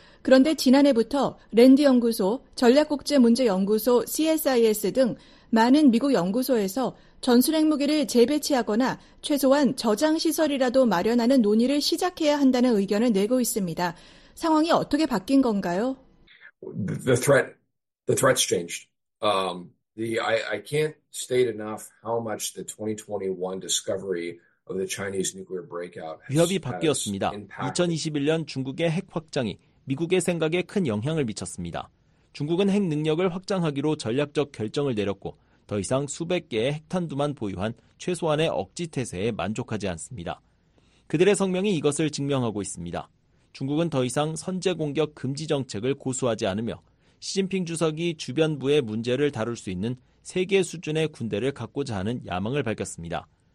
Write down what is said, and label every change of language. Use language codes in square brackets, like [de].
[ko] 그런데 지난해부터 랜드 연구소, 전략국제문제연구소 CSIS 등 많은 미국 연구소에서 전술핵 무기를 재배치하거나 최소한 저장시설이라도 마련하는 논의를 시작해야 한다는 의견을 내고 있습니다. 상황이 어떻게 바뀐 건가요? [en] The threat's changed. I can't state enough how much the 2021 discovery of the Chinese nuclear breakout has [ko] 위협이 바뀌었습니다. 2021년 중국의 핵 확장이 미국의 생각에 큰 영향을 미쳤습니다. 중국은 핵 능력을 확장하기로 전략적 결정을 내렸고 더 이상 수백 개의 핵탄두만 보유한 최소한의 억지 태세에 만족하지 않습니다. 그들의 성명이 이것을 증명하고 있습니다. 중국은 더 이상 선제 공격 금지 정책을 고수하지 않으며 시진핑 주석이 주변부의 문제를 다룰 수 있는 세계 수준의 군대를 갖고자 하는 야망을 밝혔습니다.